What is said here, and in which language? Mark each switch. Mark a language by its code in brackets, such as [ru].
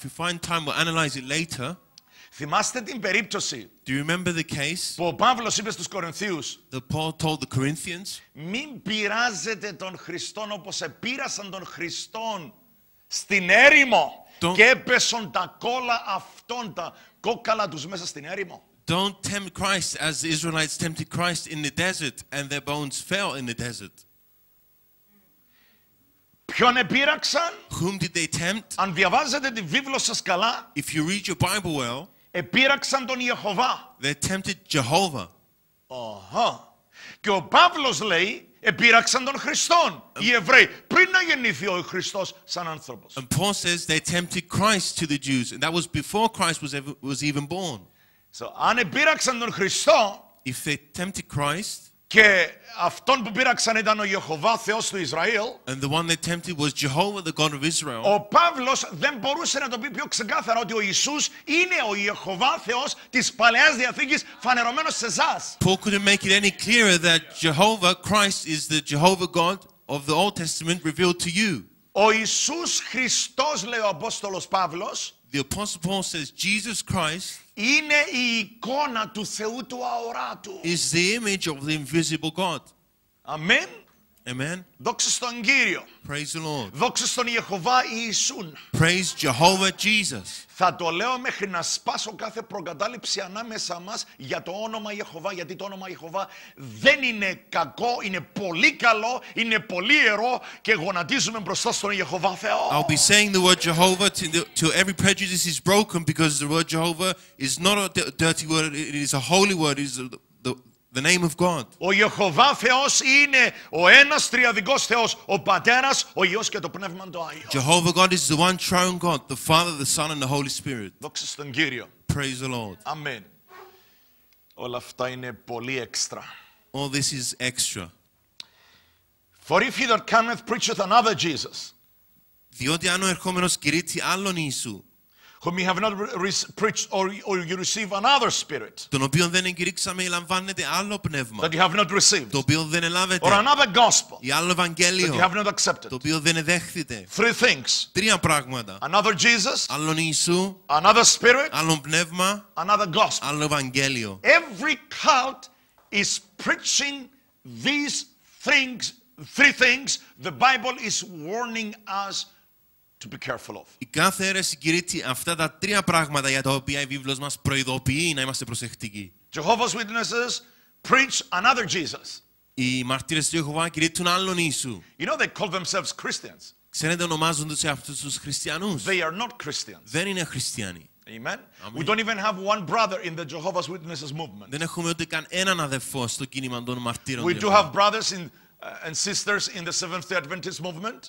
[en] If you find time, we'll analyze it later. [el] Θυμάστε την περίπτωση. [en] Do you remember the case? [el] Που ο Παύλος είπε στους Κορινθίους. [en] That Paul told the Corinthians. [el] Μην πειράζετε τον Χριστό όπως επείρασαν τον Χριστό στην έρημο. Don't... Και έπεσαν τα κόλλα αυτών, τα κόκκαλα τους μέσα στην έρημο. [en] Don't tempt Christ as the Israelites tempted Christ in the desert and their bones fell in the desert. [el] Ποιον επείραξαν? [en] Whom did they tempt? [el] Αν διαβάζετε τη βίβλο σας καλά, [en] if you read your Bible well, [el] επείραξαν τον Ιεχωβά. [en] They tempted Jehovah. Uh-huh. [el] Και ο Παύλος λέει, επείραξαν τον Χριστόν, οι Εβραίοι, πριν να γεννηθεί ο Χριστός σαν άνθρωπος. [en] And Paul says they tempted Christ to the Jews, and that was before Christ was even born. [el] So, αν επείραξαν τον Χριστό, [en] if they tempted Christ, [el] και αυτόν που πείραξαν ήταν ο Ιεχωβά, Θεός του Ισραήλ. [en] And the one they tempted was Jehovah, the God of Israel. [el] Ο Παύλος δεν μπορούσε να το πει πιο ξεκάθαρα ότι ο Ιησούς είναι ο Ιεχωβά, Θεός της Παλαιάς Διαθήκης, φανερωμένος σε εσάς. [en] Paul couldn't make it any clearer that Jehovah, Christ, is the Jehovah God of the Old Testament revealed to you. [el] Ο Ιησούς Χριστός, λέει ο Απόστολος Παύλος, [en] the Apostle Paul says, Jesus Christ, [el] είναι η εικόνα του Θεού του αοράτου. [en] Is the image of the invisible God. Amen. Amen. [el] Δόξα στον Κύριο. [en] Praise the Lord. [el] Δόξα στον Ιεχωβά Ιησούν. [en] Praise Jehovah Jesus. [el] Θα το λέω μέχρι να σπάσω κάθε προκατάληψη ανάμεσα μας για το όνομα Ιεχωβά, γιατί το όνομα Ιεχωβά δεν είναι κακό, είναι πολύ καλό, είναι πολύ ιερό και γονατίζουμε μπροστά στον Ιεχωβά Θεό. [en] I'll be saying the word Jehovah till every prejudice is broken, because the word Jehovah is not a dirty word, it is a holy word, it is the name of God. [el] Ο Ιεχωβά Θεός είναι ο ένας τριαδικός Θεός, ο Πατέρας, ο Υιός και το Πνεύμα το Άγιο. [en] Jehovah God is the one triune God, the Father, the Son and the Holy Spirit. [el] Δόξα στον Κύριο. [en] Praise the Lord. Amen. [el] Όλα αυτά είναι πολύ έξτρα. [en] All this is extra. For if he that cometh preacheth another Jesus. [el] Διότι αν ο ερχόμενος κηρύττει άλλον Ιησού. [en] Whom you have not preached, or you receive another spirit. [el] Τον οποίο δεν εγκηρύξαμε ή λαμβάνετε άλλο πνεύμα. [en] That you have not received. [el] Το οποίο δεν ελάβετε. [en] Or another gospel. [el] Ή άλλο ευαγγέλιο. [en] That you have not accepted. [el] Το οποίο δεν εδέχθητε. [en] Three things. [el] Τρία πράγματα. [en] Another Jesus. [el] Άλλον Ιησού. [en] Another spirit. [el] Άλλο πνεύμα. [en] Another gospel. [el] Άλλο ευαγγέλιο. [en] Every cult is preaching these things, three things. The Bible is warning us to be careful of. [el] Η κάθε αίρεση κηρύττει αυτά τα τρία πράγματα για τα οποία η Βίβλος μας προειδοποιεί να είμαστε προσεκτικοί. [en] Jehovah's Witnesses preach another Jesus. [el] Οι μαρτύρες του Ιεχωβά κηρύττουν άλλον Ιησού. [en] You know, they call themselves Christians. [el] Ξέρετε, ονομάζονται αυτούς τους χριστιανούς. [en] They are not Christians. [el] Δεν είναι χριστιανοί. [en] Amen. We don't even have one brother in the Jehovah's Witnesses movement. [el] Δεν έχουμε ούτε καν έναν αδερφό στο κίνημα των μαρτύρων. [en] We do have brothers in and sisters in the Seventh-day Adventist movement.